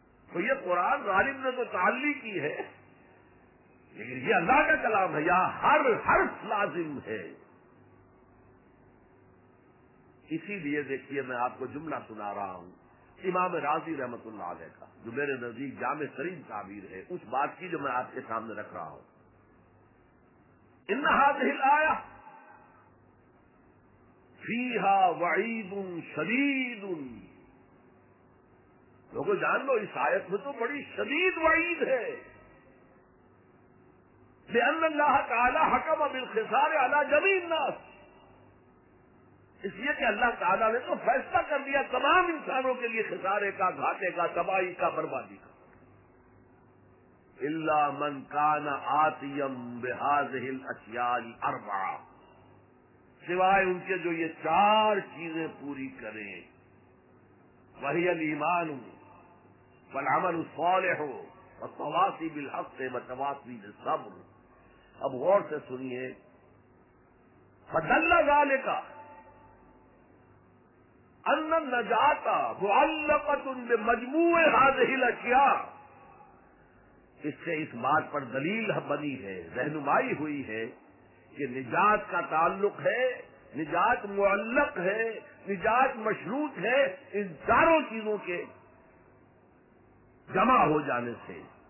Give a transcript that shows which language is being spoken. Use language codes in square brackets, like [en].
[ur] تو یہ قرآن غالب نے تو تعلی کی ہے, لیکن یہ اللہ کا کلام ہے. یہاں ہر حرف لازم ہے. اسی لیے دیکھیے میں آپ کو جملہ سنا رہا ہوں امام رازی رحمت اللہ علیہ کا, جو میرے نزدیک جامع ترین تعبیر ہے اس بات کی جو میں آپ کے سامنے رکھ رہا ہوں. [ar] ان هذه الايه فيها وعيد شديد. [ur] لوگوں جان لو اس آیت میں تو بڑی شدید وعید ہے. [ar] لان اللہ تعالی حکم بالخسار على جميع الناس. [ur] اس لیے کہ اللہ تعالی نے تو فیصلہ کر دیا تمام انسانوں کے لیے خسارے کا, گھاٹے کا, تباہی کا, بربادی کا. [ar] إلا من كان آتيا بهذه الأشياء الأربعة, [ur] سوائے ان کے جو یہ چار چیزیں پوری کریں. [ar] وهي الإيمان والعمل الصالح والتواصي بالحق والتواصي بالصبر. [ur] اب غور سے سنیے. [ar] فدل ذلك أن النجاة معلقة بمجموع هذه الأشياء. [ur] اس سے اس بات پر دلیل بنی ہے, رہنمائی ہوئی ہے کہ نجات کا تعلق ہے, نجات معلق ہے, نجات مشروط ہے ان چاروں چیزوں کے جمع ہو جانے سے.